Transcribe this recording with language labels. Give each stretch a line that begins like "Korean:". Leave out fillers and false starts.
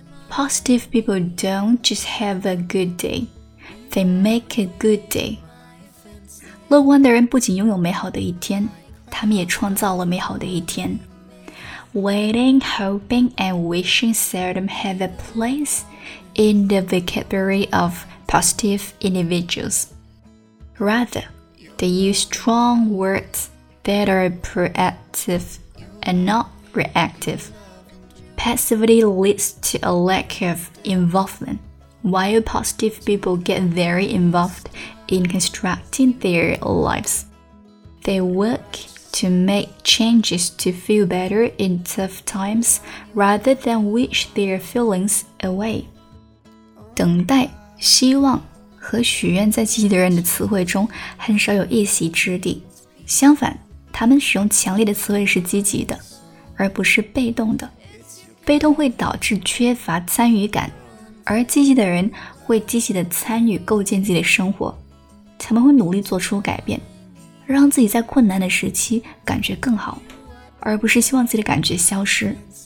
English: Positive people don't just have a good day, they make a good day.
Chinese: 乐观的人不仅拥有美好的一天，他们也创造了美好的一天。
English: Waiting, hoping, and wishing seldom have a place in the vocabulary of positive individuals. Rather, they use strong words that are proactive and not reactive. Passivity leads to a lack of involvement, while positive people get very involved in constructing their lives. They work to make changes to feel better in tough times rather than wish their feelings away.
Chinese: 等待、希望和许愿在积极的人的词汇中很少有一席之地。相反，他们使用强烈的词汇是积极的，而不是被动的。被动会导致缺乏参与感，而积极的人会积极地参与构建自己的生活，他们会努力做出改变，让自己在困难的时期感觉更好，而不是希望自己的感觉消失。